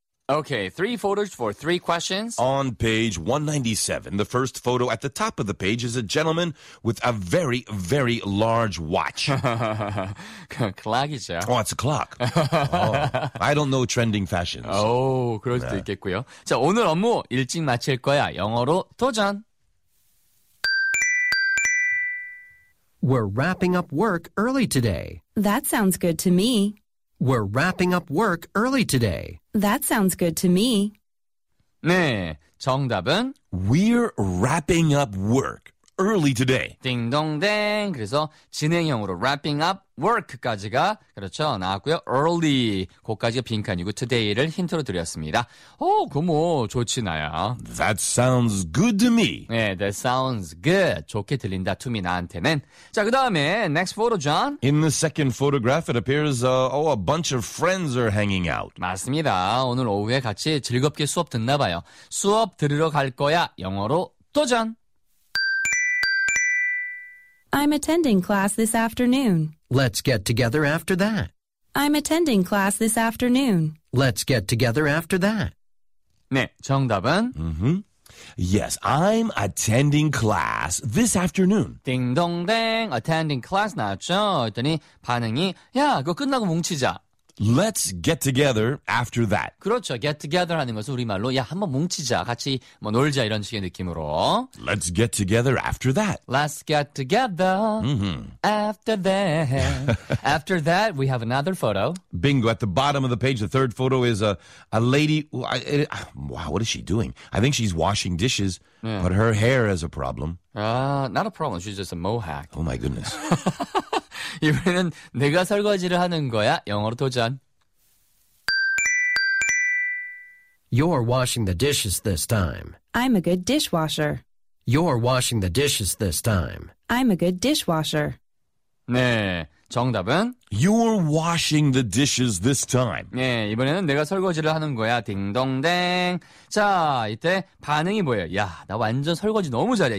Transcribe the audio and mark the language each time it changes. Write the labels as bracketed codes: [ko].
[en] 오케이, three photos for three questions. On page 197, the first photo at the top of the page is a gentleman with a very, very large watch. [ko] 클락이죠. [en] Oh, it's a clock. Oh, I don't know trending fashions. [ko] Oh, 그럴 수도 있겠고요. 자, 오늘 업무 일찍 마칠 거야. 영어로 도전. [en] We're wrapping up work early today. That sounds good to me. We're wrapping up work early today. That sounds good to me. [ko] 네, 정답은 [en] We're wrapping up work early today. [ko] 딩동댕. 그래서 진행형으로 [en] wrapping up work [ko] 까지가 그렇죠 나왔고요. Early 그까지가 빈칸이고 today를 힌트로 드렸습니다. 오, 그 뭐 좋지 나야. [en] That sounds good to me. 네, that sounds good. [ko] 좋게 들린다. [en] To me [ko] 나한테는. 자, 그 다음에 [en] next photo, [ko] John. [en] In the second photograph, it appears a bunch of friends are hanging out. [ko] 맞습니다. 오늘 오후에 같이 즐겁게 수업 듣나 봐요. 수업 들으러 갈 거야. 영어로 도전. [en] I'm attending class this afternoon. Let's get together after that. I'm attending class this afternoon. Let's get together after that. [ko] 네, 정답은? Mm-hmm. [en] Yes, I'm attending class this afternoon. [ko] 딩동댕, attending class 나왔죠? 했더니 반응이, 야, 그거 끝나고 뭉치자. [en] Let's get together after that. [ko] 그렇죠. Get together 하는 것은 우리말로 야 한번 뭉치자, 같이 뭐 놀자 이런 식의 느낌으로. [en] Let's get together after that. Let's get together after that. After that, we have another photo. Bingo. At the bottom of the page, the third photo is a lady. Wow, what is she doing? I think she's washing dishes, yeah. But her hair is a problem. Not a problem. She's just a mohawk. Oh, my goodness. [ko] 이번에는 내가 설거지를 하는 거야. 영어로 도전. [en] You're washing the dishes this time. I'm a good dishwasher. You're washing the dishes this time. I'm a good dishwasher. [ko] 네, 정답은? [en] You're washing the dishes this time. [ko] 네, 이번에는 내가 설거지를 하는 거야. 딩동댕. 자, 이때 반응이 뭐예요? 야, 나 완전 설거지 너무 잘해.